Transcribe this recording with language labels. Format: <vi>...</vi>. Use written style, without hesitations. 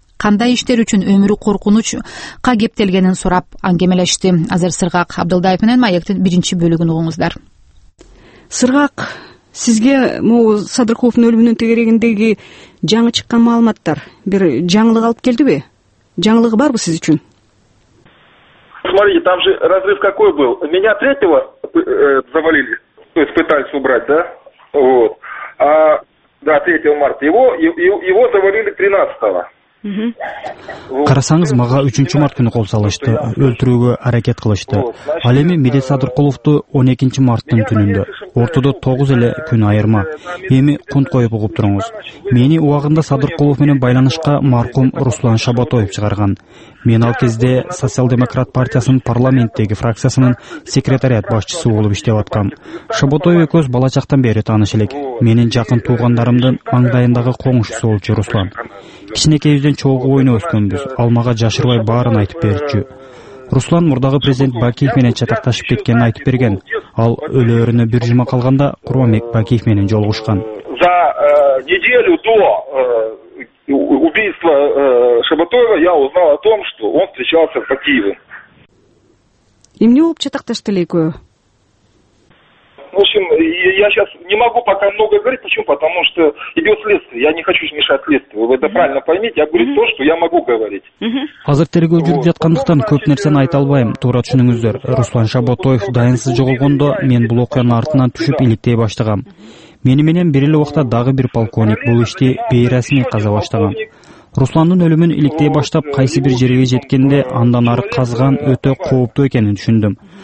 <ky>кандай иштер үчүн өмүрү коркунучка кептелгенин сурап аңгемелешти. Азыр Сыргак Абдылдаев менен маектин биринчи бөлүгүн угуңуздар. Сыргак, сизге могу Садыркуловдун өлүмүнүн тегерегиндеги жаңы чыккан маалыматтар бир жаңылык алып келдиби? Жаңылыгы барбы сиз үчүн?</ky> <ru>Смотрите, там же разрыв какой был. Меня третьего завалили, то есть пытались убрать, да? Вот. А, да, 3 марта. Его завалили 13-го.</ru> <ky>Карасаңыз, мага 3 март күнү кол салышты, өлтүрүүгө аракет кылышты. Ал эми Медет Садыркуловду 12 марттын түнүндө, ортодо 9 эле күн айырма. Эми кунт коюп угуп туруңуз. Мени убагында Садыркулов менен байланышка маркум Руслан Шабатоев чыгарган. Мен ал кезде Социал-демократ партиясынын парламенттеги фракциясынын секретариат башчысы болуп иштеп аткам. Шабатоев экөөбүз бала чактан бери тааныш элек. Менин жакын туугандарымдын маңдайындагы коңшусу болчу Руслан. Кичинекейибизден чогуу ойно өскөнбүз. Ал мага жашырбай баарын айтып берчү. Руслан мурдагы президент Бакиев менен чатакташып кеткенин айтып берген. Ал өлөөрүнө бир жума калганда Курманбек Бакиев менен жолугушкан.</ky> <ru>За неделю до убийства Шабатоева я узнал о том, что он встречался с Бакиевым.</ru> <ky>Эмне болуп чатакташты эле экөө?</ky> <ru>В общем, я сейчас не могу пока много говорить. Почему? Потому что идет следствие. Я не хочу мешать следствию. Вы это правильно поймите. Я говорю то, что я могу говорить.</ru> <ky>Азыр тергөө жүрүп жаткандыктан көп нерсени айта албайм. Туура түшүнүңүздөр. Руслан Шабатоев дайынсыз жоголгондо мен бул окуянын артынан түшүп иликтей баштагам. Мени менен бир эле убакта дагы бир полковник бул ишти бейрасмий каза баштаган. Русландын өлүмүн иликтей баштап, кайсы бир жерге жеткенде андан ары казган өтө кооптуу экенин түшүндүм.</ky>